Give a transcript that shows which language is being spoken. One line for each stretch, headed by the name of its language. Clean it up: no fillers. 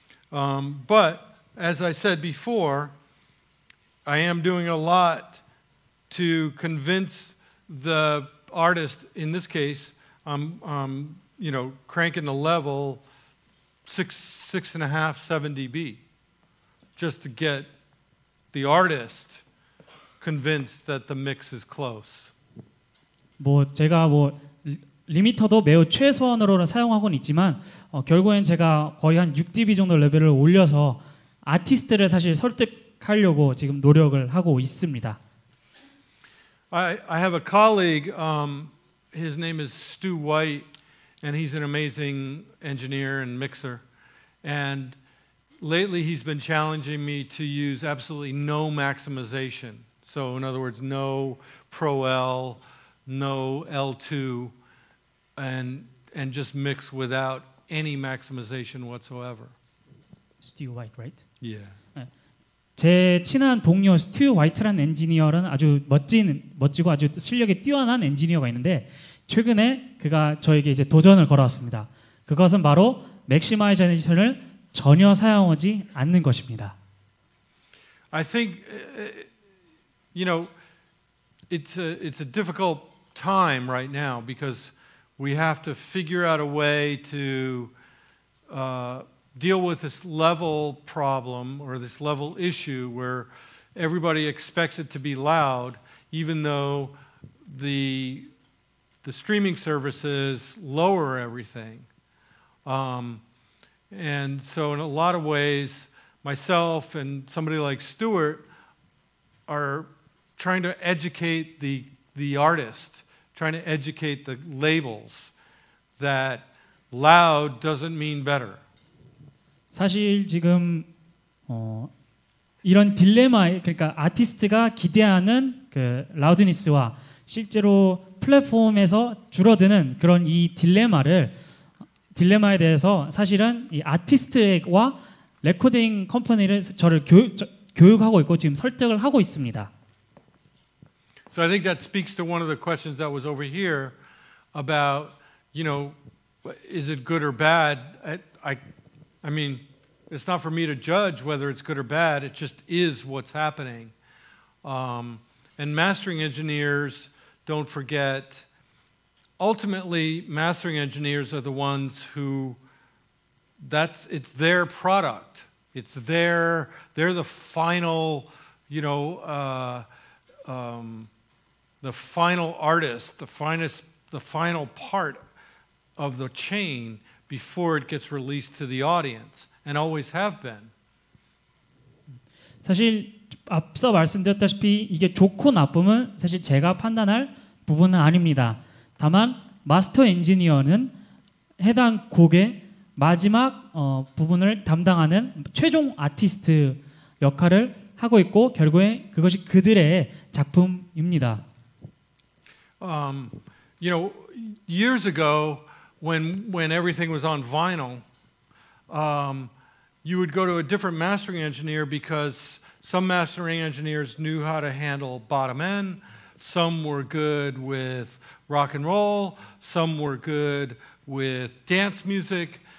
English: But as I said before, I am doing a lot to convince the artist. In this case, I'm you know, cranking the level 6.5-7 dB just to get the artist convinced that the mix is close.
Korean: 뭐 제가 뭐 리미터도 매우 최소한으로 사용하고는 있지만 결국엔 제가 거의 한 6 dB 정도 레벨을 올려서 아티스트를 사실 설득하려고 지금 노력을 하고 있습니다.
English: I have a colleague, his name is Stu White, and he's an amazing engineer and mixer. And lately he's been challenging me to use absolutely no maximization. So in other words, no Pro L, no L2, and just mix without any maximization whatsoever. Stu White, right? Yeah.
Korean: 제 친한 동료 스튜 화이트라는 엔지니어는 아주 멋지고 아주 실력이 뛰어난 엔지니어가 있는데 최근에 그가 저에게 이제 도전을 걸어왔습니다. 그것은 바로 맥시마이제이션을 전혀 사용하지 않는 것입니다.
English: I think you know it's a difficult time right now because we have to figure out a way to deal with this level problem or this level issue where everybody expects it to be loud, even though the streaming services lower everything. And so in a lot of ways, myself and somebody like Stuart are trying to educate the artist, trying to educate the labels that loud doesn't mean better.
Korean: 사실 지금 이런 딜레마, 그러니까 아티스트가 기대하는 그 라우드니스와 실제로 플랫폼에서 줄어드는 그런 이 딜레마에 대해서 사실은 이 아티스트와 레코딩 컴퍼니를 저를 교육하고 있고 지금 설득을 하고 있습니다.
English: So I think that speaks to one of the questions that was over here about, you know, is it good or bad? I mean, it's not for me to judge whether it's good or bad. It just is what's happening. And mastering engineers, don't forget, ultimately, mastering engineers are the ones who, it's their product. They're the final, you know, the final artist, the final part of the chain before it gets released to the audience, and always have been.
Korean: 사실 앞서 말씀드렸다시피 이게 좋고 나쁨은 사실 제가 판단할 부분은 아닙니다. 다만 마스터 엔지니어는 해당 곡의 마지막 부분을 담당하는 최종 아티스트 역할을 하고 있고 결국에 그것이 그들의 작품입니다.
English: You know, years ago, when everything was on vinyl, you would go to a different mastering engineer because some mastering engineers knew how to handle bottom end, some were good with rock and roll, some were good with dance music,